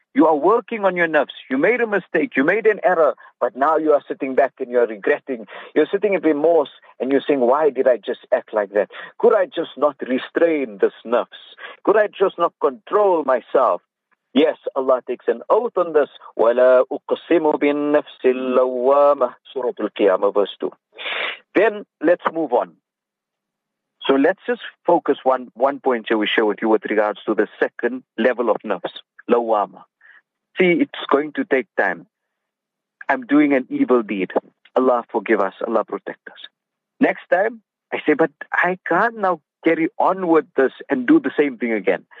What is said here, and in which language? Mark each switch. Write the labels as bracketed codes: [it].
[en] You are working on your nafs. You made a mistake. You made an error. But now you are sitting back and you are regretting. You're sitting in remorse and you're saying, why did I just act like that? Could I just not restrain this nafs? Could I just not control myself? Yes, Allah takes an oath on this. [ar] وَلَا أُقْسِمُ بِالنَّفْسِ اللَّوَّامَةِ [en] Surah Al-Qiyamah, verse 2. Then, let's move on. So, let's just focus one point here we share with you with regards to the second level of nafs, lawama. See, it's going to take time. I'm doing an evil deed. Allah forgive us. Allah protect us. Next time, I say, but I can't now carry on with this and do the same thing again.